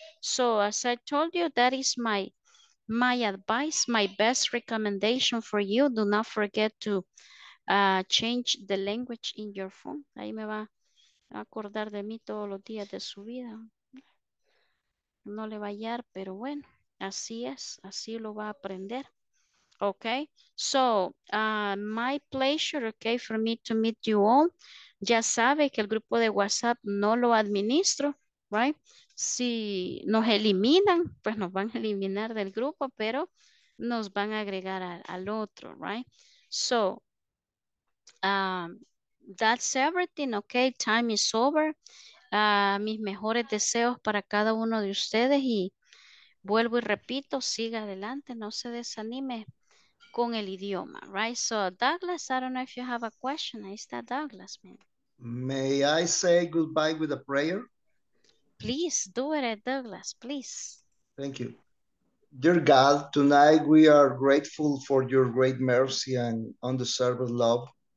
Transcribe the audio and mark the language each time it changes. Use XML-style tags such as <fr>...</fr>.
<en>So as I told you, that is my advice, my best recommendation for you. Do not forget to change the language in your phone.</en> <es>Ahí me va a acordar de mí todos los días de su vida. No le va a hallar, pero bueno, así es, así lo va a aprender.</es> <en>Okay, so my pleasure, okay, for me to meet you all.</en> <es>Ya sabe que el grupo de WhatsApp no lo administro, right? Si nos eliminan, pues nos van a eliminar del grupo, pero nos van a agregar al otro, right?</es> <en>So, that's everything, okay? Time is over.</en> <es>Mis mejores deseos para cada uno de ustedes y vuelvo y repito, siga adelante, no se desanime con el idioma, right?</es> <en>So, Douglas, I don't know if you have a question.</en> <es>Ahí está Douglas, man.</es> <en>May I say goodbye with a prayer? Please do it, Douglas, please. Thank you. Dear God, tonight we are grateful for your great mercy and undeserved love.</en>